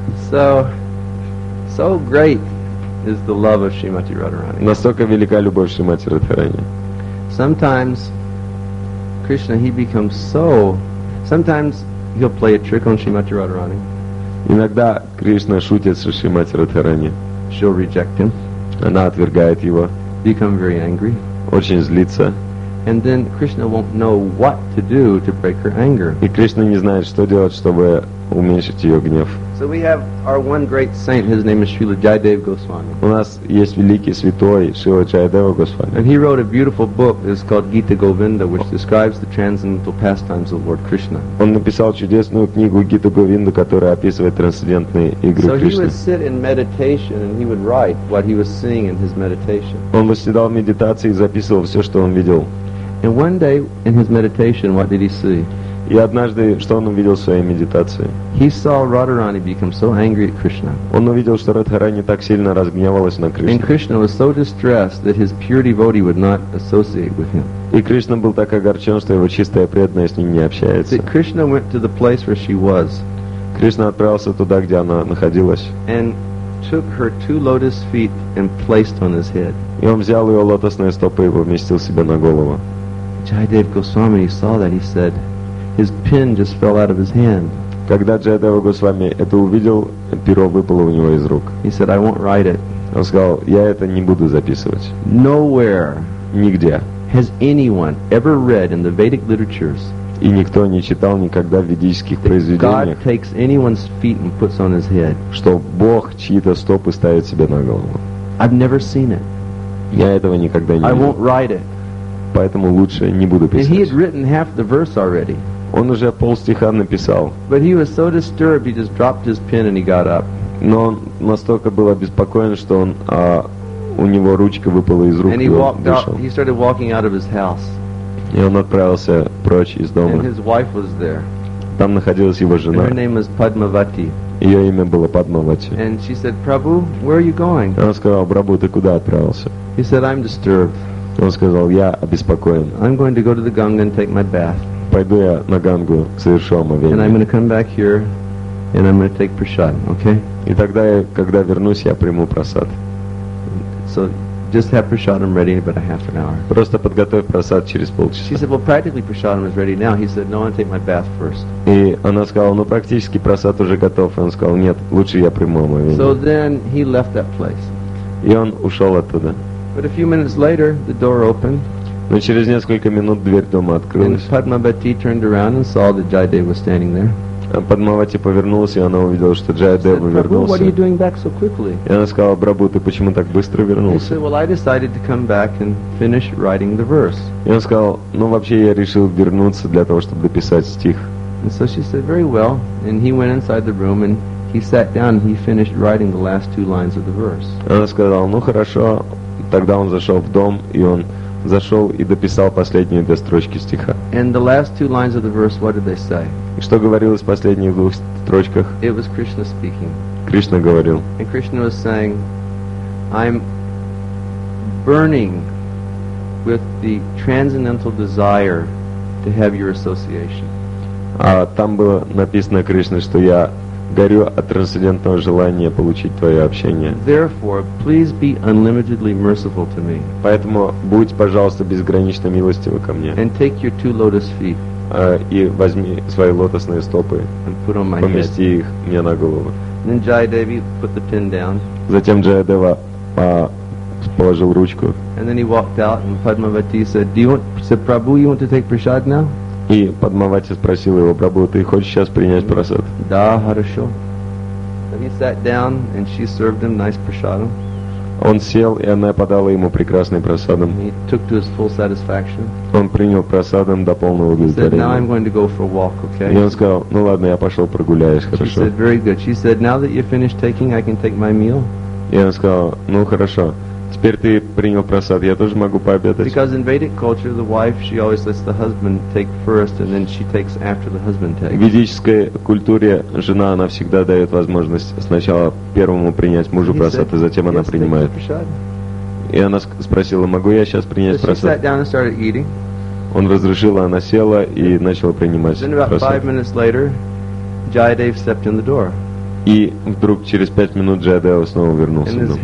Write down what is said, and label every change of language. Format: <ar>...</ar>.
<en>So, so great is the love of Shrimati Radharani.</en> <ru>Настолько велика любовь Шримати Радхарани.</ru> <en>Sometimes Krishna, he becomes so... Sometimes he'll play a trick on Shrimati Radharani.</en> <ru>Иногда Кришна шутит с Шримати Радхарани.</ru> <en>She'll reject him.</en> <ru>Она отвергает его.</ru> <en>Become very angry.</en> <ru>Очень злится.</ru> <en>And then Krishna won't know what to do to break her anger.</en> <ru>И Кришна не знает, что делать, чтобы уменьшить ее гнев.</ru> <en>So we have our one great saint. His name is Srila Jayadeva Goswami.</en> <ru>У нас есть великий святой Шрила Джайдева Госвами.</ru> <en>And he wrote a beautiful book. It's called Gita Govinda, which describes the transcendental pastimes of Lord Krishna.</en> <ru>Он написал чудесную книгу Гита Говинда, которая описывает трансцендентные игры Кришны.</ru> <en>So he would sit in meditation and he would write what he was seeing in his meditation.</en> <ru>Он восседал в медитации и записывал все, что он видел.</ru> <en>And one day in his meditation, what did he see?</en> <ru>И однажды, что он увидел в своей медитации?</ru> <en>He saw Radharani become so angry at Krishna.</en> <ru>Он увидел, что Радхарани так сильно разгневалась на Кришну.</ru> <en>And Krishna was so distressed that his pure devotee would not associate with him.</en> <ru>И Кришна был так огорчен, что его чистая преданная с ним не общается.</ru> <en>See, Krishna went to the place where she was.</en> <ru>Кришна отправился туда, где она находилась.</ru> <en>And took her two lotus feet and placed on his head.</en> <ru>И он взял ее лотосные стопы и поместил себе на голову.</ru> <en>Jayadev Goswami saw that, he said, his pen just fell out of his hand.</en> <ru>Когда Джайдева Госвами это увидел, перо выпало у него из рук.</ru> <en>He said, "I won't write it."</en> <ru>Он сказал, я это не буду записывать.</ru> <en>Nowhere.</en> <ru>Нигде.</ru> <en>Has anyone ever read in the Vedic literatures?</en> <ru>И никто не читал никогда в ведических произведениях.</ru> <en>God takes anyone's feet and puts on his head.</en> <ru>Что Бог чьи-то стопы ставит себе на голову.</ru> <en>I've never seen it.</en> <ru>Я этого никогда не видел.</ru> <en>I won't write it.</en> <ru>Поэтому лучше не буду писать.</ru> <en>And he had written half the verse already.</en> <ru>Он уже полстиха написал.</ru> <en>But he was so disturbed, he just dropped his pen and he got up.</en> <ru>Но он настолько был обеспокоен, что он, у него ручка выпала из рук,</ru> <en>and</en> <ru>и</ru> <en>walked</en> <ru>он вышел.</ru> <en>Out, he started walking out of his house.</en> <ru>И он отправился прочь из дома.</ru> <en>And his wife was there.</en> <ru>Там находилась его жена.</ru> <en>And her name was Padmavati.</en> <ru>Ее имя было Падмавати.</ru> <en>And she said, "Prabhu, where are you going?"</en> <ru>Она сказала, Прабу, ты куда отправился?</ru> <en>He said, "I'm disturbed."</en> <ru>Он сказал, я обеспокоен.</ru> <en>I'm going to go to the Ganga and take my bath.</en> <ru>Пойду я на Гангу, совершу омовение.</ru> <en>And I'm going to come back here and I'm going to take prasad, okay?</en> <ru>И тогда, когда вернусь, я приму прасад.</ru> <en>So just have prasadam ready in about a half an hour.</en> <ru>Просто подготовь прасад через полчаса.</ru> <en>She said, "Well, practically prasadam is ready now." He said, "No, I want to take my bath first."</en> <ru>И она сказала, ну практически прасад уже готов. И он сказал, нет, лучше я приму омовение.</ru> <en>So then he left that place.</en> <ru>И он ушел оттуда.</ru> <en>But a few minutes later, the door opened.</en> <ru>Но через несколько минут дверь дома открылась.</ru> <en>And Padmavati turned around and saw that Jayadeva was standing there.</en> <ru>Padmavati повернулась, и она увидела, что Джайдева вернулся.</ru> <en>What are you doing back so quickly?</en> <ru>И она сказала, Прабу, ты почему так быстро вернулся?</ru> <en>He said, "Well, I decided to come back and finish writing the verse."</en> <ru>И он сказал, ну вообще я решил вернуться для того, чтобы дописать стих.</ru> <en>And so she said, "Very well." And he went inside the room and he sat down. And he finished writing the last two lines of the verse.</en> <ru>Она сказала, ну хорошо. Тогда он зашел в дом, и он зашел и дописал последние две строчки стиха.</ru> <en>And the last two lines of the verse, what did they say?</en> <ru>И что говорилось в последних двух строчках?</ru> <en>It was Krishna speaking.</en> <ru>Кришна говорил.</ru> <en>And Krishna was saying, "I'm burning with the transcendental desire to have your association."</en> <ru>А там было написано Кришна, что я горю от трансцендентного желания получить твое общение.</ru> <en>Therefore, please be unlimitedly merciful to me.</en> <ru>Поэтому будь, пожалуйста, безгранично милостивы ко мне.</ru> <en>And take your two lotus feet.</en> <ru>И возьми свои лотосные стопы.</ru> <en>And put on my</en> <ru>Помести</ru> <en>head.</en> <ru>Их мне на голову.</ru> <en>Then Jayadevi put the pin down.</en> <ru>Затем Джаядева положил ручку.</ru> <en>And then he walked out, and Padmavati said, "Do you want, said Prabhu, you want to take prasad now?"</en> <ru>И Падмавати спросил его: "Прабху, ты хочешь сейчас принять прасад?" "Да, хорошо."</ru> <en>So he sat down, and she served him nice prasadam.</en> <ru>Он сел, и она подала ему прекрасный прасадам.</ru> <en>He took to his full satisfaction.</en> <ru>Он принял прасадам до полного удовлетворения.</ru> <en>He said, "Now I'm going to go for a walk, okay?"</en> <ru>И он сказал: "Ну ладно, я пошел прогуляюсь, хорошо."</ru> <en>She said, "Very good." She said, "Now that you're finished taking, I can take my meal."</en> <ru>И он сказал: "Ну хорошо. Теперь ты принял прасад, я тоже могу пообедать."</ru> <en>Because in Vedic culture, the wife, she always lets the husband take first, and then she takes after the husband takes.</en> <ru>В ведической культуре жена, она всегда дает возможность сначала первому принять мужу прасад, и затем она принимает. И она спросила: "Могу я сейчас принять прасад?"</ru> <en>So she sat down and started eating.</en> <ru>Он разрешил, она села и начала принимать прасад.</ru> <en>Then about 5 minutes later, Jayadev stepped in the door.</en> <ru>И вдруг через 5 минут Джаядева снова вернулся.</ru>